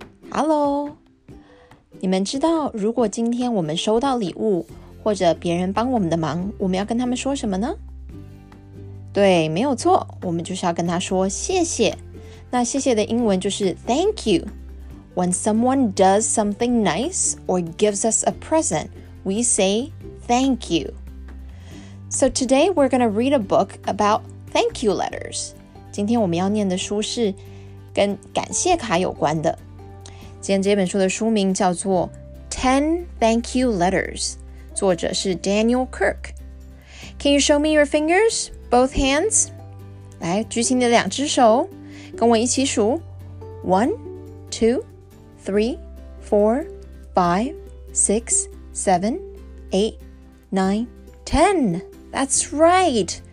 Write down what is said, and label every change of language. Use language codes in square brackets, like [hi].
[zh] Hello， 你们知道如果今天我们收到礼物或者别人帮我们的忙，我们要跟他们说什么呢？对，没有错，我们就是要跟他说谢谢。那谢谢的英文就是 thank you。 [en] When someone does something nice or gives us a present, we say thank you. So today we're going to read a book about thank you letters. [zh] 今天我们要念的书是跟感谢卡有关的。今天这本书的书名叫做 10 Thank You Letters， 作者是 Daniel Kirk。 [en] Can you show me your fingers? Both hands? [zh] 来，举起你的两只手，跟我一起数 [en] 1, 2, 3, 4, 5, 6, 7, 8, 9, 10. That's right!